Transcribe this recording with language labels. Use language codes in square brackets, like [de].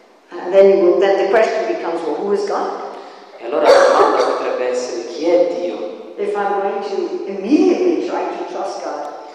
[en] And then, the question becomes, well, who is God? [it] E allora la domanda potrebbe essere, chi è Dio? [en] If I'm going to immediately try to trust God.